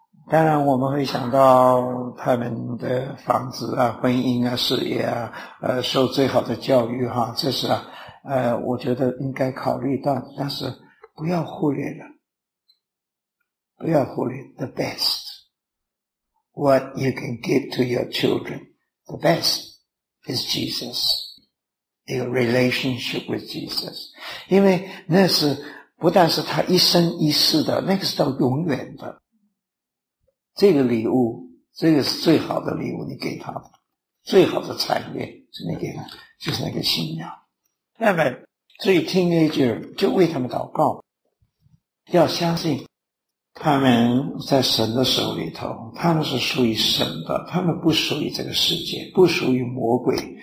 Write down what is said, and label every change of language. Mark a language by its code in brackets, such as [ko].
[zh] 当然我们会想到他们的房子啊、婚姻啊、事业啊，受最好的教育啊，这是啊，我觉得应该考虑到，但是不要忽略了。不要忽略 [en] the best. What you can give to your children, the best is Jesus. A relationship with Jesus. [zh] 因为那是不但是他一生一世的，那个是到永远的。这个礼物，这个是最好的礼物，你给他的，最好的产业是你给他，就是那个信仰。那么，所以 teenager 就为他们祷告，要相信他们在神的手里头，他们是属于神的，他们不属于这个世界，不属于魔鬼。